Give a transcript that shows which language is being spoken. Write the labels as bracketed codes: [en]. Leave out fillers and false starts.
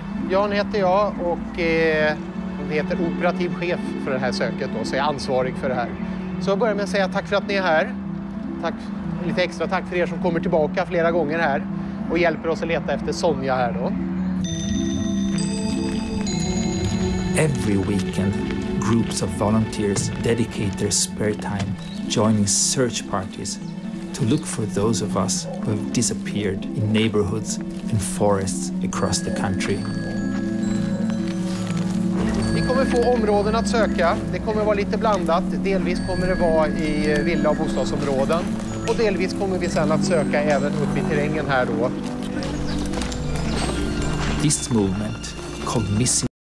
[sv] Jan heter jag och heter operativ chef för det här söket då, så jag är ansvarig för det här. Så jag börjar med att säga tack för att ni är här. Tack, lite extra tack för er som kommer tillbaka flera gånger här och hjälper oss att leta efter Sonja här då. [en] Every weekend, groups of volunteers dedicate their spare time joining search parties to look for those of us who have disappeared in neighborhoods and forests across the country. [sv] Vi kommer få områden att söka. Det kommer vara lite blandat. Delvis kommer det vara i villa- och bostadsområden. Och delvis kommer vi sedan att söka även upp i terrängen här då. [en] This movement, called Missing.